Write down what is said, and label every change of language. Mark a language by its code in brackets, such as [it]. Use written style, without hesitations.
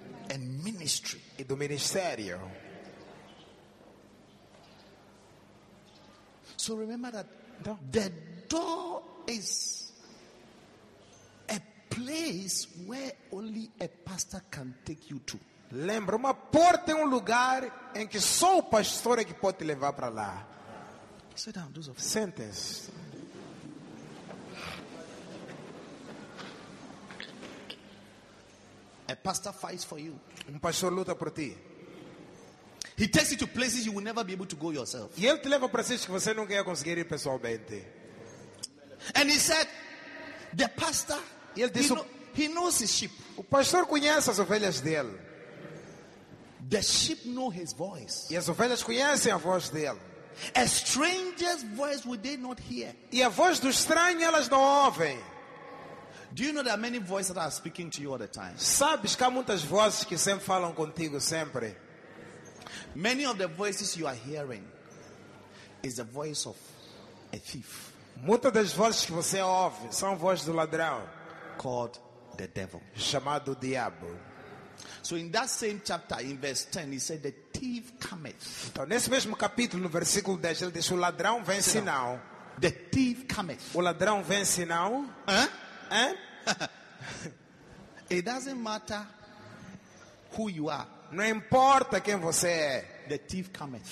[en] and ministry, [pt] e do ministério. [en] So remember that the door is a place where only a pastor can take you to. [pt] Lembra, uma porta é um lugar em que só o pastor é que pode te levar para lá. [en] Sit down, do so. Sentence. A pastor fights for you. [pt] Um pastor luta por ti. [en] He takes you to places you will never be able to go yourself. [pt] E ele te leva para sítios que você nunca ia conseguir ir pessoalmente. [en] And he said, the pastor, [pt] e ele disse, [en] he knows his sheep. [pt] O pastor conhece as ovelhas dele. [en] The sheep know his voice. [pt] E as ovelhas conhecem a voz dele. [en] A stranger's voice would they not hear? [pt] E a voz do estranho elas não ouvem. [en] Do you know there are many voices that are speaking to you all the time? [pt] Sabes que há muitas vozes que sempre falam contigo sempre. [en] Many of the voices you are hearing is the voice of a thief. [pt] Muitas das vozes que você ouve são vozes do ladrão. [en] Called the devil. [pt] Chamado diabo. [en] So in that same chapter, in verse 10, he said, "The thief cometh." [pt] Então, nesse mesmo capítulo, no versículo 10, ele diz, o ladrão vem sinal. [en] The thief cometh. [pt] O ladrão vem sinal. [en] It doesn't matter who you are. [pt] Não importa quem você é. [en] The thief cometh.